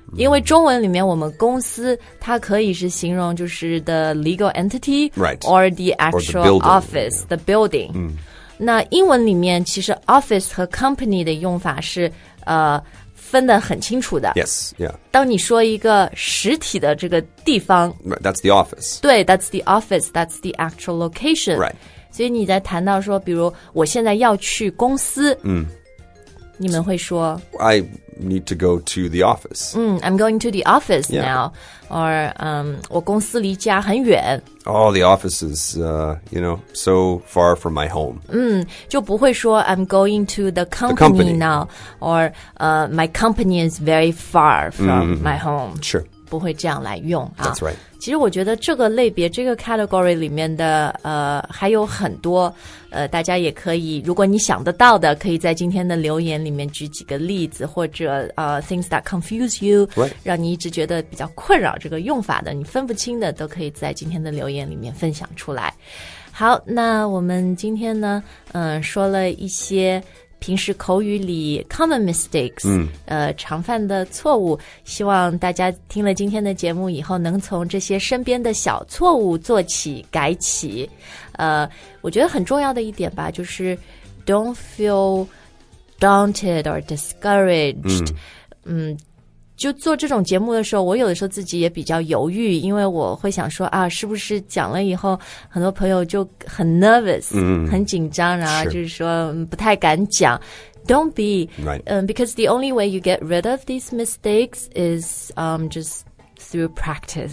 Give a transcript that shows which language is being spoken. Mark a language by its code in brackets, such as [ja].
[zh] 因为中文里面我们公司它可以是形容就是 [en] the legal entity、 right. or the actual office, the building.、 Yeah. [zh] 那英文里面其实 office 和 company 的用法是、分得很清楚的。 [en] Yes, yeah. [zh] 当你说一个实体的这个地方。 [en] Right, that's the office. [zh] 对 [en] that's the office, that's the actual location. Right. [zh] 所以你在谈到说比如我现在要去公司。你们会说 [en] I need to go to the office. I'm going to the office、 yeah. now. Or, [zh] 我公司离家很远。 [en] Oh, the office is, you know, so far from my home. [zh] 就不会说 [en] I'm going to the company, the company. now. Or, my company is very far from、my home. Sure. [zh] 不会这样来用、啊。 [en] That's right. [zh] 其实我觉得这个类别这个 category 里面的还有很多大家也可以如果你想得到的可以在今天的留言里面举几个例子或者 [en] things that confuse you、 right. [zh] 让你一直觉得比较困扰这个用法的你分不清的都可以在今天的留言里面分享出来。好那我们今天呢说了一些平时口语里 [en] common mistakes、 [zh] 常犯的错误希望大家听了今天的节目以后能从这些身边的小错误做起改起我觉得很重要的一点吧就是 [en] don't feel daunted or discouraged、 [zh] 就做这种节目的时候我有的时候自己也比较犹豫因为我会想说啊是不是讲了以后很多朋友就很 nervous、很紧张然后就是说不太敢讲 [en] don't be、 right. Because the only way you get rid of these mistakes is just through practice